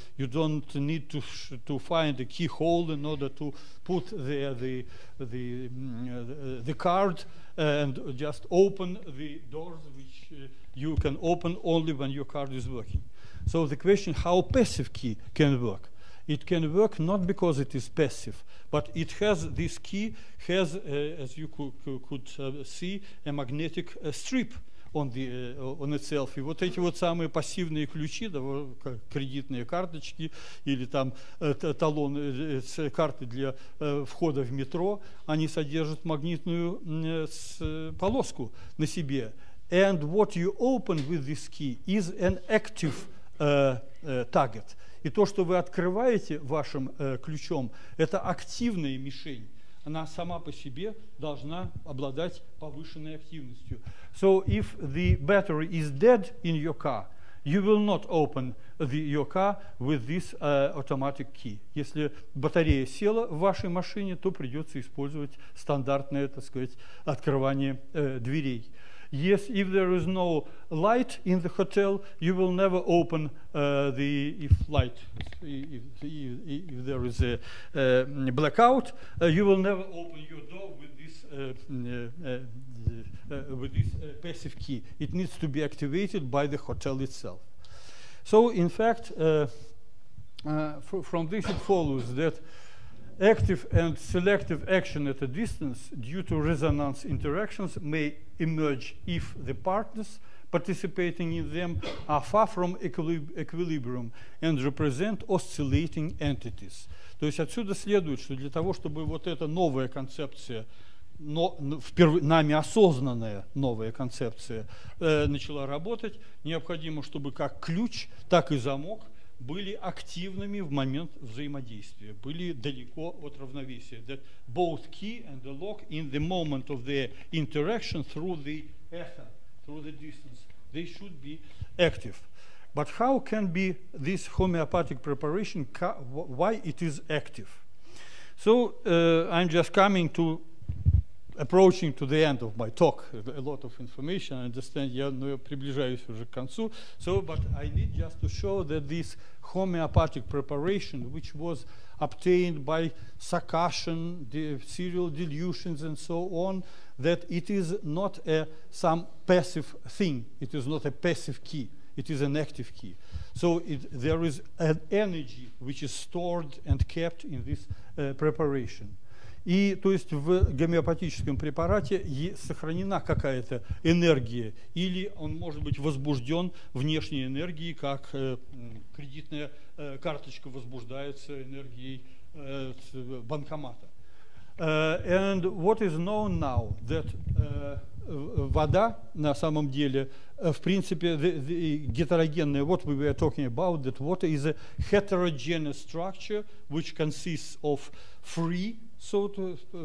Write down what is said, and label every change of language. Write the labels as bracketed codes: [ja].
[en] You don't need to find a keyhole in order to put there the card and just open the doors, which you can open only when your card is working. So the question: how passive key can work? It can work not because it is passive, but it has this key, has, as you could see, a magnetic strip on the on itself. [ru] И вот эти вот самые пассивные ключи, да, кредитные карточки или там талоны, карты для входа в метро, они содержат магнитную полоску на себе. [en] And what you open with this key is an active target. [ru] И то, что вы открываете вашим ключом, это активная мишень. Она сама по себе должна обладать повышенной активностью. [en] So if the battery is dead in your car, you will not open your car with this automatic key. [ru] Если батарея села в вашей машине, то придется использовать стандартное, так сказать, открывание дверей. [en] Yes, if there is no light in the hotel, you will never open if there is a blackout, you will never open your door with this passive key. It needs to be activated by the hotel itself. So, in fact, from this it follows that active and selective action at a distance due to resonance interactions may emerge if the partners participating in them are far from equilibrium and represent oscillating entities. [ru] То есть отсюда следует, что для того, чтобы вот эта новая концепция, но впервые нами осознанная новая концепция, начала работать, необходимо, чтобы как ключ, так и замок были активными в момент взаимодействия, были далеко от равновесия. [en] That both key and the lock in the moment of the interaction through the ether, through the distance, they should be active. But how can be this homeopathic preparation, why it is active? So I'm just coming to approaching to the end of my talk, a lot of information, I understand, [ru] я, но я приближаюсь уже к концу. [en] So, but I need just to show that this homeopathic preparation, which was obtained by succussion, the serial dilutions and so on, that it is not a some passive thing, it is not a passive key, it is an active key. So it, there is an energy which is stored and kept in this preparation. [ru] И то есть в гомеопатическом препарате сохранена какая-то энергия, или он может быть возбужден внешней энергией, как кредитная карточка возбуждается энергией банкомата. [en] And what is known now, that [ru] вода на самом деле, в принципе, гетерогенная, [en] what we were talking about, that water is a heterogeneous structure which consists of free, so to,